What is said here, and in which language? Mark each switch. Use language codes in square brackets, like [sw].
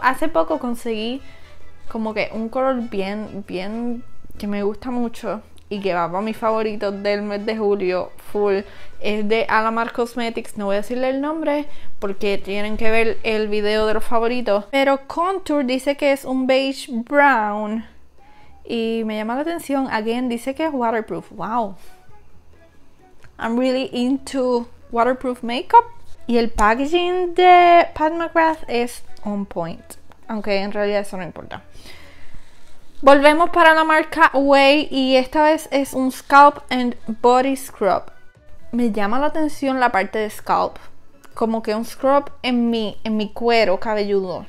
[es] Hace poco conseguí como que un color bien, bien, que me gusta mucho y que va a mi favorito del mes de julio, full. Es de Alamar Cosmetics, no voy a decirle el nombre porque tienen que ver el video de los favoritos. Pero Contour dice que es un beige brown y me llama la atención. Again, dice que es waterproof. Wow. [en] I'm really into waterproof makeup. [es] Y el packaging de Pat McGrath es [en] on point. [es] Aunque en realidad eso no importa. Volvemos para la marca Way y esta vez es un Scalp and Body Scrub. Me llama la atención la parte de scalp. Como que un scrub en mi cuero cabelludo.